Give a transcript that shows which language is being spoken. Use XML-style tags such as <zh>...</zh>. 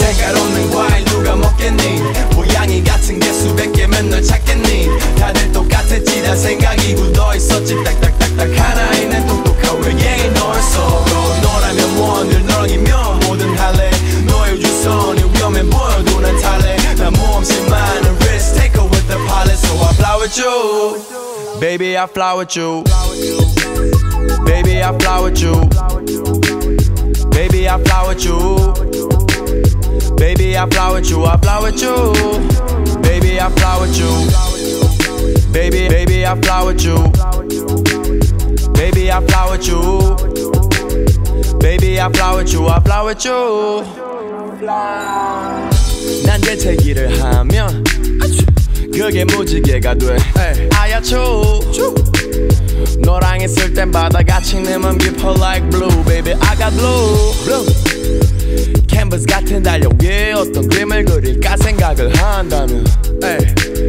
<ko>색깔 없는 과일 누가 먹겠니? 모양이 같은 게 수백 개면 널 찾겠니? 다들 똑같았지, 난 생각이 굳어있었지. 딱딱딱딱 하나의 난 똑똑한 외계인 너였어. 너라면 뭐 늘 너라면 뭐든 할래. 너의 우주선이 위험해 보여도 난 탈래. 난 모험심 많은</ko> <en>risk take over the pilot so I fly with you. Baby I fly with you. Baby I fly with you. Baby I fly with you. Baby I fly with you. I fly with you. Baby I fly with you. Baby, baby I fly with you. Baby I fly with you. Baby I fly with you. I fly with you. Fly.</en> <ko>난 재채기를 하면 그게 무지개가 돼. 아야초. 너랑 있을 땐 바다같이 내 맘 깊어</ko> <en>like blue. Baby I got blue, blue.</en> <ko>캔버스 같은 달력 위에 어떤 그림을 그릴까 생각을 한다면 에이.</ko>